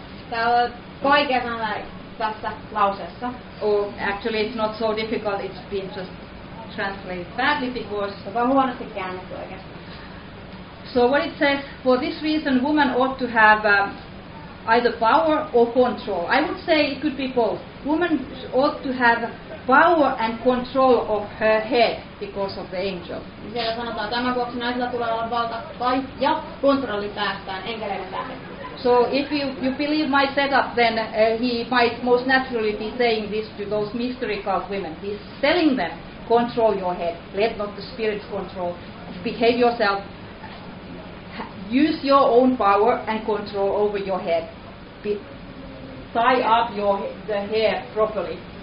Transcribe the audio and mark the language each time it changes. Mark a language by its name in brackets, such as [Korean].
[Finnish] Tämä on vaikea sanoa tässä lauseessa. [English] Oh, actually it's not so difficult, it's been just translated badly because [Finnish] se on huonosti käännetty oikeastaan. [English] So what it says, for this reason woman ought to have either power or control. I would say it could be both. Woman ought to have power and control of her head because of the angel. [Finnish] Siellä sanotaan, tämän vuoksi naisilla tulee olla valta tai ja kontrolli päästään enkeleiden tähden. [English] So if you believe my setup, then he might most naturally be saying this to those mystery cult women. He's telling them, control your head. Let not the spirits control. Behave yourself. Use your own power and control over your head. Tie up your the hair properly.